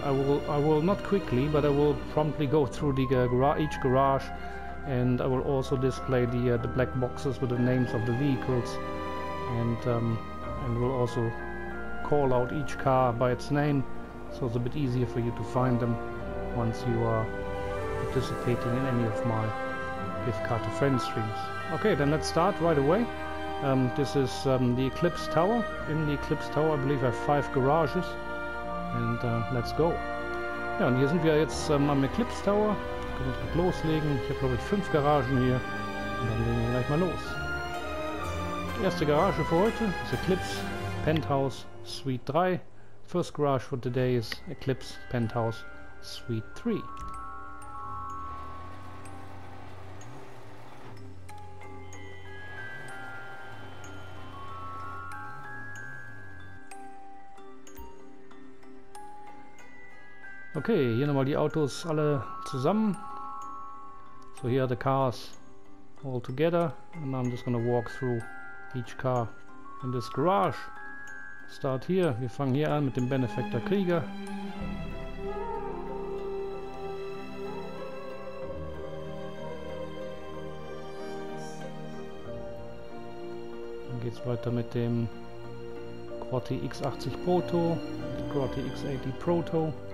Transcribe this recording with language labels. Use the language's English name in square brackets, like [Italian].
[English] I will not quickly, but I will promptly go through the each garage, and I will also display the black boxes with the names of the vehicles, and will also call out each car by its name, so it's a bit easier for you to find them once you are participating in any of my Give Car to Friends streams. Okay, then let's start right away. This is the Eclipse Tower. In the Eclipse Tower, I believe I have 5 garages. And let's go. [German] Ja, und hier sind wir jetzt am Eclipse Tower. Können wir loslegen. Ich habe, glaube ich, 5 Garagen hier. Und dann legen wir gleich mal los. Die erste Garage für heute ist Eclipse Penthouse Suite 3. [English] First garage for today is Eclipse Penthouse Suite 3. [German] Okay, hier nochmal die Autos alle zusammen. [English] So here are the cars all together, and I'm just gonna walk through each car in this garage. Start here, [German] wir fangen hier an mit dem Benefactor Krieger. Dann geht's weiter mit dem Quarti X80 Proto, Quarti X80 Proto.